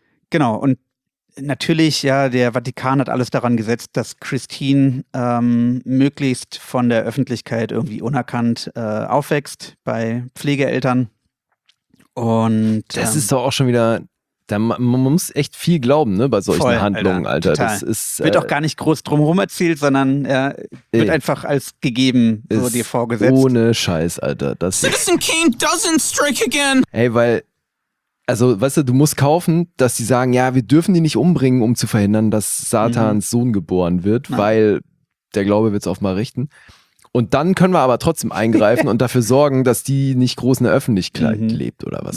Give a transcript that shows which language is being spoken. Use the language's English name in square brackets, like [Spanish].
[German] Genau, und natürlich, ja, der Vatikan hat alles daran gesetzt, dass Christine möglichst von der Öffentlichkeit irgendwie unerkannt aufwächst bei Pflegeeltern. Und das ist doch auch schon wieder, da man muss echt viel glauben, ne, bei solchen Handlungen, Alter. Das ist, wird auch gar nicht groß drumherum erzählt, sondern wird einfach als gegeben so dir vorgesetzt. Ohne Scheiß, Alter. Das [English] Citizen Kane doesn't strike again. [German] Ey, weil, also, weißt du, du musst kaufen, dass sie sagen, ja, wir dürfen die nicht umbringen, um zu verhindern, dass Satans Sohn geboren wird, weil der Glaube wird es auch mal richten. Und dann können wir aber trotzdem eingreifen und dafür sorgen, dass die nicht groß in der Öffentlichkeit lebt oder was.